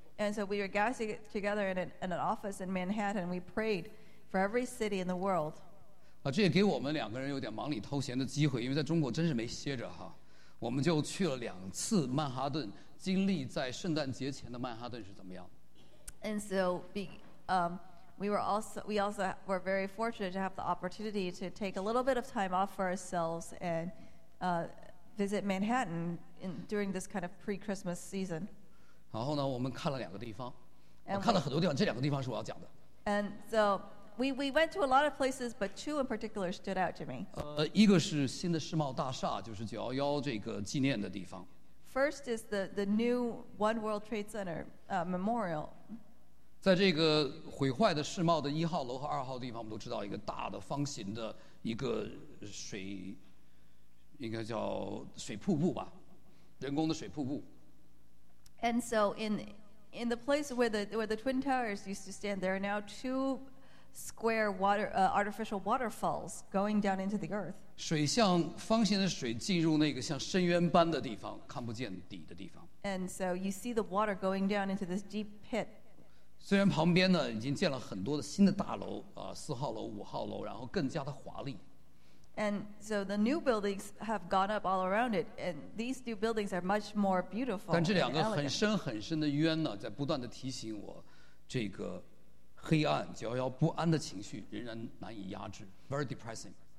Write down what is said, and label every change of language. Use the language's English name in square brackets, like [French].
[English] And so we were gathered together in an office in Manhattan. We prayed for every city in the world. [Chinese] 啊，这也给我们两个人有点忙里偷闲的机会，因为在中国真是没歇着哈。我们就去了2次曼哈顿，经历在圣诞节前的曼哈顿是怎么样。 [English] And so we also were very fortunate to have the opportunity to take a little bit of time off for ourselves and visit Manhattan during this kind of pre-Christmas season. [Chinese] 然后呢，我们看了两个地方，我看了很多地方，这两个地方是我要讲的。 [English] And so we went to a lot of places, but two in particular stood out to me. [Chinese] 一个是新的世贸大厦，就是911这个纪念的地方。 [English] First is the new One World Trade Center memorial. [Chinese] 在这个毁坏的世贸的一号楼和二号地方，我们都知道一个大的方形的一个水，应该叫水瀑布吧，人工的水瀑布。 [English] And so in the place where the Twin Towers used to stand, there are now two square water, artificial waterfalls going down into the earth. [Chinese] 水像方形的水进入那个像深渊般的地方，看不见底的地方。 [English] And so you see the water going down into this deep pit. [Chinese] 虽然旁边呢已经建了很多的新的大楼啊，四号楼、五号楼，然后更加的华丽。 [English] And so the new buildings have gone up all around it, and these new buildings are much more beautiful. [Chinese] 但这两个很深很深的渊呢，在不断的提醒我，这个黑暗、焦躁、不安的情绪仍然难以压制 ， [English] very depressing.